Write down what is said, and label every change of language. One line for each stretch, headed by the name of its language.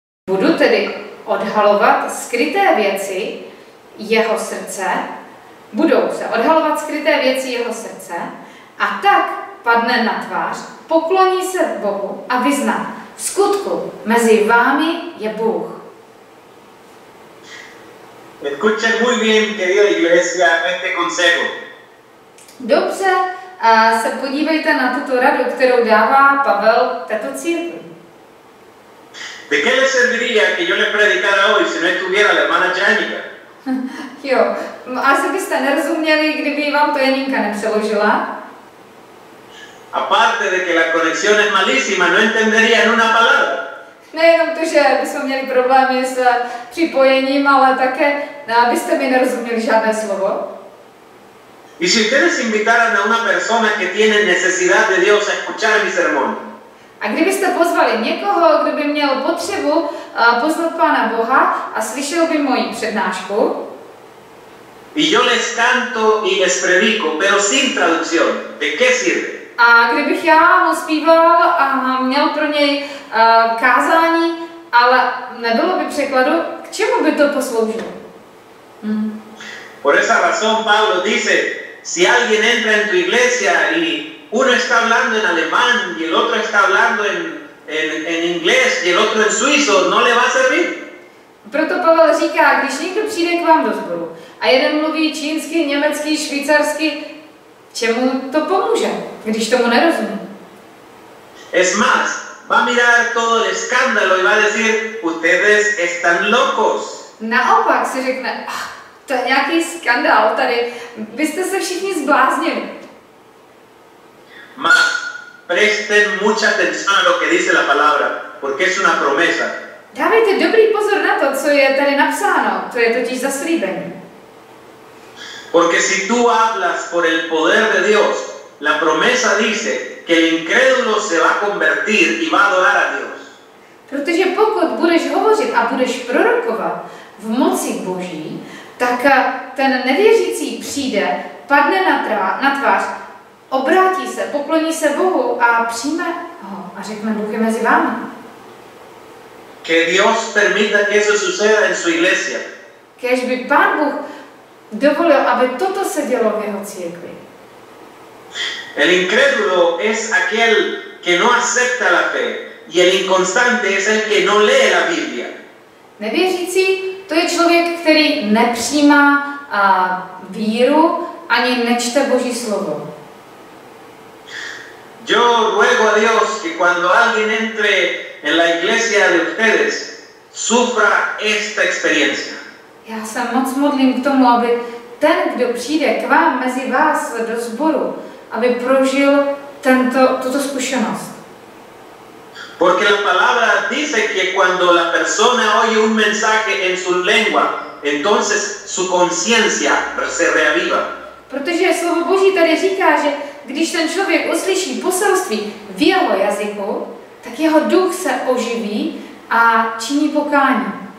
Czech: Budu tedy odhalovat skryté věci jeho srdce, budou se odhalovat skryté věci jeho srdce a tak padne na tvář, pokloní se Bohu a vyzná, v skutku mezi vámi je Bůh.
Spanish: Escuchen muy bien, querida iglesia, este consejo.
Czech: Dobře, se podívejte na tuto radu, kterou dává Pavel této církvi.
Spanish: ¿De qué le serviría que yo le predicara hoy si no estuviera la hermana Janica?
Czech: Jo, asi byste nerozuměli, kdyby vám to Janinka nepřeložila.
Spanish: Aparte de que la conexión es malísima, no entendería en una palabra.
Czech: Nejenom to, že bychom měli problémy s připojením, ale také, abyste mi nerozuměli žádné slovo.
Spanish: Y si ustedes invitaran a una persona que tiene necesidad de Dios a escuchar mi sermón.
Czech: A kdybyste pozvali někoho, kdo by měl potřebu poznat Pána Boha a slyšel by moji přednášku.
Spanish: Y yo les canto y les predico, pero sin traducción. ¿De qué sirve?
Czech: A kdybych já mu zpíval a měl pro něj kázání, ale nebylo by překladu, k čemu by to posloužilo?
Spanish: Por esa razón Pablo dice, si alguien entra en tu iglesia y uno está hablando en alemán y el otro está hablando en inglés y el otro en suizo, no le va a servir.
Czech: Proto Pavel říká, když někdo přijde k vám do sboru a jeden mluví čínsky, německy, švýcarsky, čemu to pomůže, když tomu nerozumí?
Spanish: Es más, va a mirar todo el escándalo y va a decir, ustedes están locos.
Czech: Naopak si řekne, to je nějaký skandál tady, vy jste se všichni zbláznili.
Spanish: Más, presten mucha atención a lo que dice la palabra, porque es una promesa.
Czech: Dávejte dobrý pozor na to, co je tady napsáno, to je totiž zaslíbení.
Spanish: Porque si tú hablas por el poder de Dios, la promesa dice que el incrédulo se va a convertir y va a adorar a Dios.
Czech: Protože pokud budeš hovořit a budeš prorokovat v moci Boží, tak ten nevěřící přijde, padne na tvář, obrátí se, pokloní se Bohu a přijme ho a řekne, Bůh je mezi vámi.
Spanish: Que Dios permita que eso suceda en su iglesia.
Czech: Kéž by Pán Bůh dovolil, aby toto se dělo v jeho církvi.
Spanish: El incrédulo es aquel que no acepta la fe y el inconstante es el que no lee la Biblia.
Czech: Nevěřící, to je člověk, který nepřijímá víru ani nečte Boží slovo.
Spanish: Yo ruego a Dios que cuando alguien entre en la iglesia de ustedes sufra esta experiencia.
Czech: Já se moc modlím k tomu, aby ten, kdo přijde k vám mezi vás do sboru, aby prožil tuto zkušenost.
Spanish: Porque la palabra dice que cuando la persona oye un mensaje en su lengua, entonces su conciencia se reaviva.
Czech: Protože slovo Boží tady říká, že když ten člověk uslyší poselství v jeho jazyku, tak jeho duch se oživí a činí pokání.